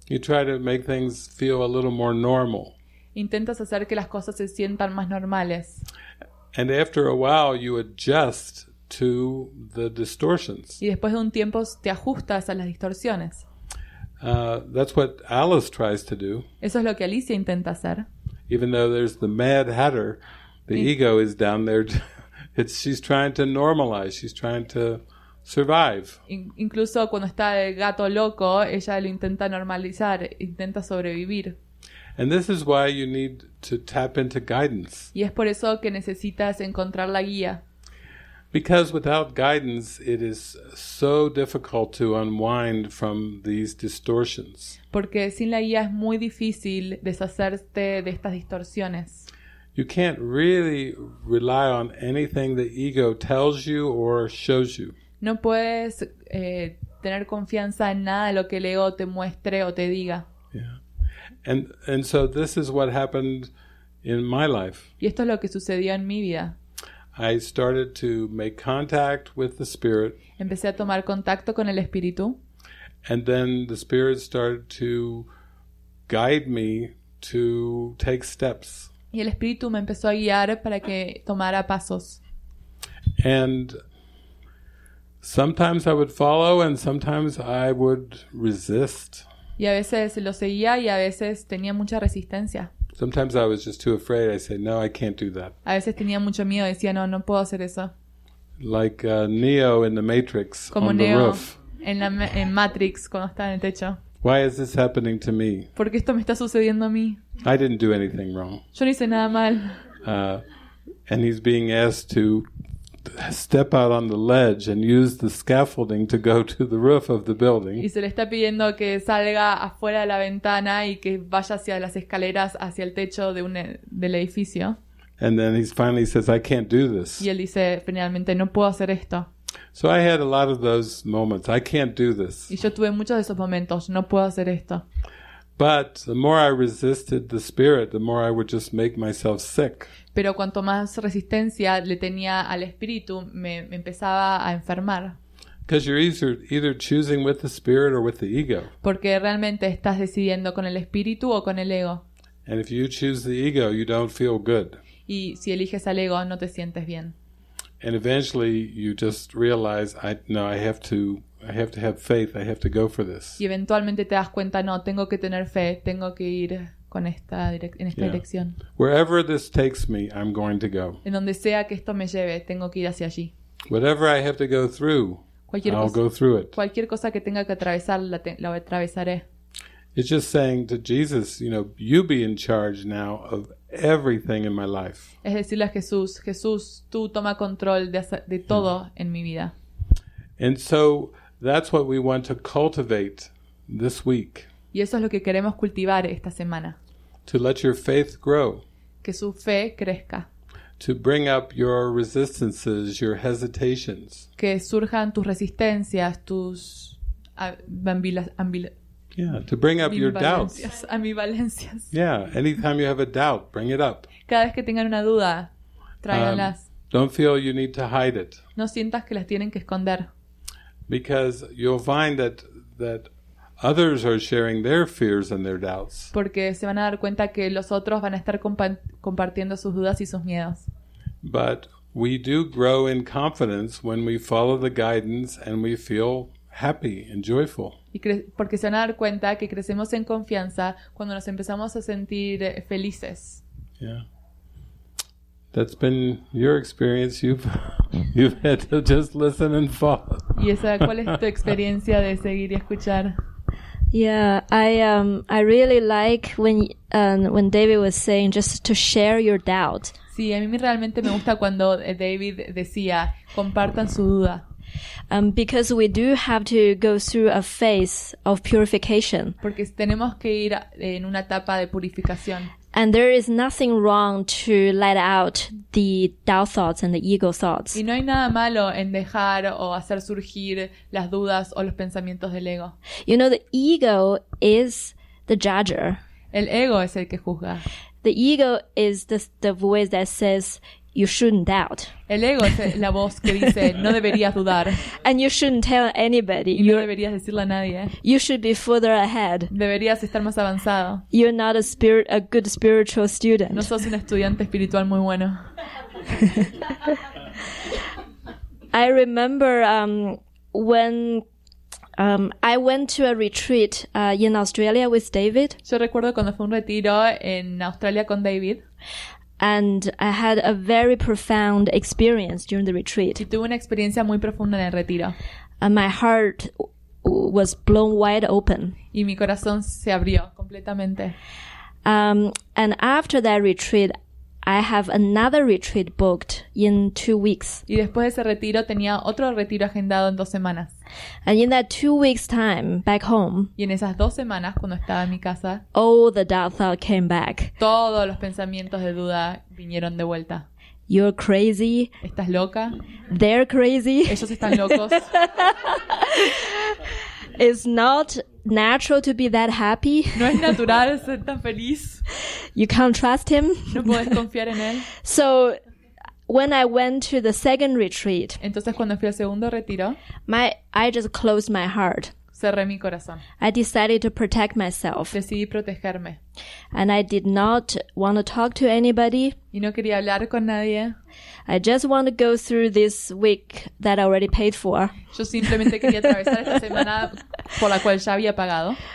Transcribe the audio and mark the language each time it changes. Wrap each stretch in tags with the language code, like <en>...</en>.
<en>You try to make things feel a little more normal.</en> <es>Intentas hacer que las cosas se sientan más normales.</es> <en>And after a while you adjust to the distortions.</en> <es>Y después de un tiempo te ajustas a las distorsiones.</es> <en>That's what Alice tries to do.</en> <es>Eso es lo que Alicia intenta hacer.</es> <en>Even though there's the Mad Hatter, the ego is down there. She's trying to normalize. She's trying to survive.</en> <es>Incluso cuando está el gato loco, ella lo intenta normalizar, intenta sobrevivir.</es> <en>And this is why you need to tap into guidance.</en> <es>Y es por eso que necesitas encontrar la guía.</es> <en>Because without guidance, it is so difficult to unwind from these distortions.</en> <es>Porque sin la guía es muy difícil deshacerte de estas distorsiones.</es> <en>You can't really rely on anything the ego tells you or shows you.</en> <es>No puedes tener confianza en nada de lo que el ego te muestre o te diga.</es> <en>Yeah. And so this is what happened in my life.</en> <es>Y esto es lo que sucedió en mi vida.</es> <en>I started to make contact with the spirit.</en> <es>Empecé a tomar contacto con el espíritu.</es> <en>And then the spirit started to guide me to take steps.</en> <es>Y el espíritu me empezó a guiar para que tomara pasos.</es> <en>And sometimes I would follow and sometimes I would resist.</en> <es>Y a veces lo seguía y a veces tenía mucha resistencia.</es> <en>Sometimes I was just too afraid. I said, "No, I can't do that."</en> <es>A veces tenía mucho miedo. Decía, "No, no puedo hacer eso."</es> <en>Like Neo in the Matrix.</en> <es>Como</es> <en>on Neo the roof.</en> <es>En Matrix cuando está en el techo.</es> <en>Why is this happening to me?</en> <es>Porque esto me está sucediendo a mí.</es> <en>I didn't do anything wrong.</en> <es>Yo no hice nada mal.</es> <en>And he's being asked to step out on the ledge and use the scaffolding to go to the roof of the building.</en> <es>Y se le está pidiendo que salga afuera de la ventana y que vaya hacia las escaleras hacia el techo de del edificio.</es> <en>And then he finally says, "I can't do this."</en> <es>Y él dice finalmente, "No puedo hacer esto."</es> <en>So I had a lot of those moments. I can't do this.</en> <es>Y yo tuve muchos de esos momentos. No puedo hacer esto.</es> <en>But the more I resisted the spirit, the more I would just make myself sick.</en> <es>Pero cuanto más resistencia le tenía al espíritu, me empezaba a enfermar.</es> <en>Because you're either choosing with the spirit or with the ego.</en> <es>Porque realmente estás decidiendo con el espíritu o con el ego.</es> <en>And if you choose the ego, you don't feel good.</en> <es>Y si eliges al ego, no te sientes bien.</es> <en>And eventually you just realize, I have to have faith. I have to go for this.</en> <es>Y eventualmente te das cuenta, no, tengo que tener fe, tengo que ir con esta en esta dirección.</es> <en>Wherever this takes me, I'm going to go.</en> <es>En donde sea que esto me lleve, tengo que ir hacia allí.</es> <en>Whatever I have to go through, I'll go through it.</en> <es>Cualquier cosa que tenga que atravesar, la atravesaré.</es> <en>It's just saying to Jesus, you know, you be in charge now of everything in my life.</en> <es>Es decirle a Jesús, tú toma control de todo en mi vida.</es> <en>And so that's what we want to cultivate this week.</en> <es>Y eso es lo que queremos cultivar esta semana.</es> <en>To let your faith grow.</en> <es>Que su fe crezca.</es> <en>To bring up your resistances, your hesitations.</en> <es>Que surjan tus resistencias, tus</es> <en>To bring up your doubts.</en> <es>Ambivalencias.</es> <en>Yeah, anytime you have a doubt, bring it up.</en> <es>Cada vez que tengan una duda, tráiganlas.</es> <en>Don't feel you need to hide it.</en> <es>No sientas que las tienen que esconder.</es> <en>Because you'll find that others are sharing their fears and their doubts.</en> <es>Porque se van a dar cuenta que los otros van a estar compartiendo sus dudas y sus miedos.</es> <en>But we do grow in confidence when we follow the guidance and we feel happy and joyful.</en> <es>Porque se van a dar cuenta que crecemos en confianza cuando nos empezamos a sentir felices.</es> <en>Yeah. That's been your experience. You've had to just listen and follow.</en> <es>¿Y esa cuál es tu experiencia de seguir y escuchar?</es> <en>Yeah, I really like when David was saying just to share your doubt.</en> <es>Sí, a mí realmente me gusta cuando David decía, compartan su duda.</es> <en>Because we do have to go through a phase of purification.</en> <es>Porque tenemos que ir en una etapa de purificación.</es> <en>And there is nothing wrong to let out the doubt thoughts and the ego thoughts.</en> <es>Y no hay nada malo en dejar o hacer surgir las dudas o los pensamientos del ego.</es> <en>You know, the ego is the judger.</en> <es>El ego es el que juzga.</es> <en>The ego is the voice that says you shouldn't doubt.</en> <es>El ego es la voz que dice no deberías dudar.</es> <en>And you shouldn't tell anybody.</en> <es>Y no deberías decirle a nadie.</es> <en>You should be further ahead.</en> <es>Deberías estar más avanzado.</es> <en>You're not a good spiritual student.</en> <es>No sos un estudiante espiritual muy bueno.</es> <en>I remember when I went to a retreat in Australia with David.</en> <es>Yo recuerdo cuando fue un retiro en Australia con David.</es> <en>And I had a very profound experience during the retreat.</en> <es>Y tuve una experiencia muy profunda en el retiro.</es> <en>And my heart was blown wide open.</en> <es>Y mi corazón se abrió completamente.</es> <en>And after that retreat, I have another retreat booked in 2 weeks.</en> <es>Y después de ese retiro tenía otro retiro agendado en 2 semanas.</es> <en>And in that 2 weeks time back home.</en> <es>Y en esas 2 semanas cuando estaba en mi casa.</es> <en>All the doubt thought came back.</en> <es>Todos los pensamientos de duda vinieron de vuelta.</es> <en>You're crazy.</en> <es>Estás loca.</es> <en>They're crazy.</en> <es>Ellos están locos.</es> <en>It's not natural to be that happy.</en> <es>No es natural ser tan feliz.</es> <en>You can't trust him.</en> <es>No puedes confiar en él.</es> <en>So when I went to the second retreat,</en> <es>entonces cuando fui al segundo retiro,</es> <en>I just closed my heart.</en> <es>Cerré mi corazón.</es> <en>I decided to protect myself.</en> <es>Decidí protegerme.</es> <en>And I did not want to talk to anybody.</en> <es>Y no quería hablar con nadie.</es> <en>I just want to go through this week that I already paid for.</en> <es>Yo simplemente quería atravesar esta semana por la cual ya había pagado.</es>